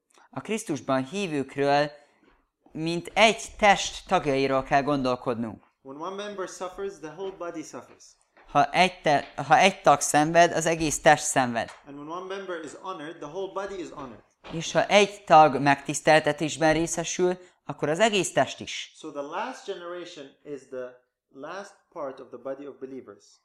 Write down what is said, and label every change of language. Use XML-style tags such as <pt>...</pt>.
<hu>A Krisztusban hívőkről, mint egy test tagjairól kell gondolkodnunk.</hu> <en>When one member suffers, the whole body suffers.</en> <hu>Ha egy tag szenved, az egész test szenved.</hu> <en>And when one member is honored, the whole body is honored.</en> <hu>És ha egy tag megtiszteltetésben részesül, akkor az egész test is.</hu> <en>So the last generation is the last part of the body of believers.</en>